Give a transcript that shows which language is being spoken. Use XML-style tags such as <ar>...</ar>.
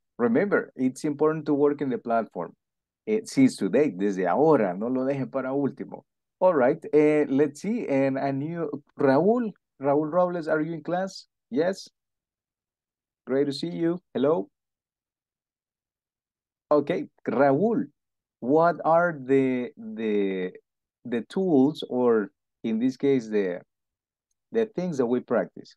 <en>Remember, it's important to work in the platform. Since today,</en> <es>desde ahora, no lo deje para último.</es> <en>All right. Let's see. And a new Raúl Robles, are you in class? Yes. Great to see you. Hello. Okay, Raúl. What are the tools, or in this case, the things that we practice?</en>